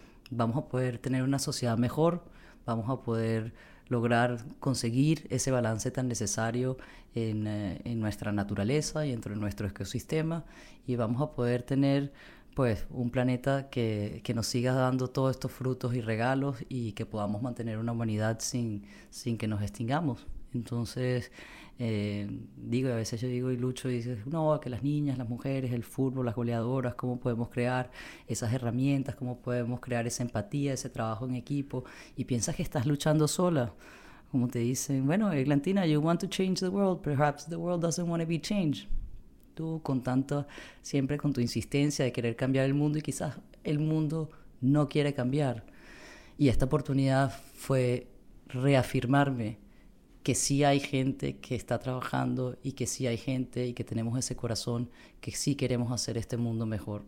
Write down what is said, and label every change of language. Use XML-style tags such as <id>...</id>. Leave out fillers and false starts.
<es>vamos a poder tener una sociedad mejor, vamos a poder lograr conseguir ese balance tan necesario en nuestra naturaleza y dentro de nuestro ecosistema, y vamos a poder tener pues un planeta que nos siga dando todos estos frutos y regalos, y que podamos mantener una humanidad sin que nos extingamos. Entonces, digo, y a veces yo digo y lucho y dices, no, que las niñas, las mujeres, el fútbol, las goleadoras, cómo podemos crear esas herramientas, cómo podemos crear esa empatía, ese trabajo en equipo, y piensas que estás luchando sola. Como te dicen, bueno,</es> <en>Eglantina, you want to change the world, perhaps the world doesn't want to be changed.</en> <es>Tú con tanto, siempre con tu insistencia de querer cambiar el mundo, y quizás el mundo no quiere cambiar. Y esta oportunidad fue reafirmarme que sí hay gente que está trabajando, y que sí hay gente, y que tenemos ese corazón, que sí queremos hacer este mundo mejor.</es>